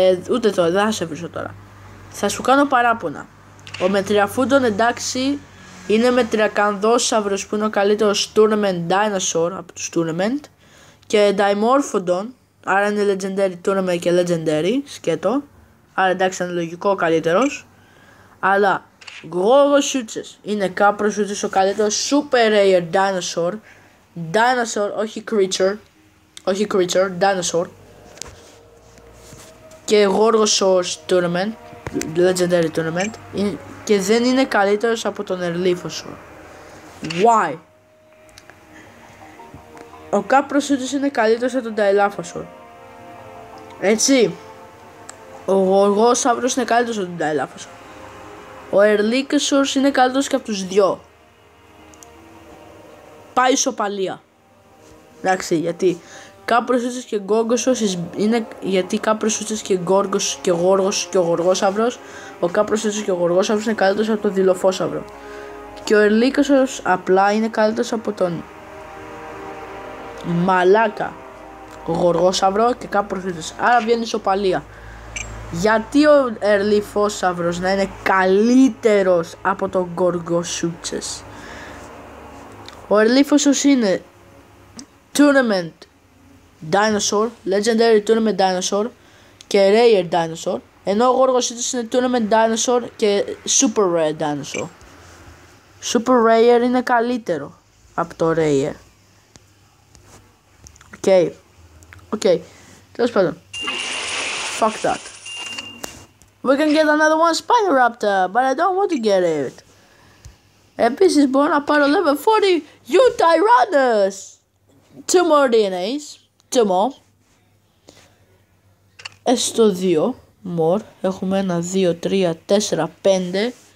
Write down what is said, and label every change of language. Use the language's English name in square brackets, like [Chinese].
[Greek] Ούτε τώρα, δεν θα σε βρίσω τώρα. Θα σου κάνω παράπονα. Ο Μετριαφούντον, εντάξει, είναι Μετριακανδόσαυρος που είναι ο καλύτερος tournament dinosaur από τους tournament. Και Dimorphodon, άρα είναι legendary tournament και legendary, σκέτο. Άρα εντάξει, είναι λογικό ο καλύτερος. Αλλά Γκογκοσούτσες είναι Κάπροσούτσες ο καλύτερος super rare dinosaur. Dinosaur, όχι creature. Όχι creature, dinosaur. Και Γκογκοσούτσες tournament, legendary tournament, και δεν είναι καλύτερος από τον Ερλίφοσορ. [English] Why? [Greek] Ο Κάπροσούτσες είναι καλύτερος από τον Ταϊλάφοσορ. Έτσι. Ο Γκογκοσαύρος είναι καλύτερος από τον Ταϊλάφοσορ. Ο Ερλίκασορς είναι καλύτερος και από τους δυο. Πάει ισοπαλία. Εντάξει, γιατί Κάπροσούτσες και Γκόργκοσορς είναι, γιατί Κάπροσούτσες και Γκόργκος και Γόργος και ο Γοργόσαυρος, ο Κάπροσούτσες και ο Γοργόσαυρος είναι καλύτερος από τον Δηλοφόσαυρο. Και ο Ερλίκασορς απλά είναι καλύτερος από τον μαλάκα Γοργόσαυρο και Κάπροσούτσες. Άρα βγαίνει ισοπαλία. Γιατί ο Ερλίφοσαύρος να είναι καλύτερος από τον Γκογκοσούτσες? Ο Ερλίφοσαύρος είναι tournament dinosaur, legendary tournament dinosaur και rare dinosaur, ενώ ο Γκογκοσούτσες είναι tournament dinosaur και super rare dinosaur. Super rare είναι καλύτερο από το rare. [English] Okay. [Greek] Τέλος πάντων. [English] Fuck that. We can get another one Spinoraptor, but I don't want to get it. [Greek] Επίσης μπορώ να πάρω level 40 Utyranus. [English] Two more DNAs. Two more. [Greek] Έστω δύο more. Έχουμε ένα, δύο, τρία, τέσσερα, πέντε.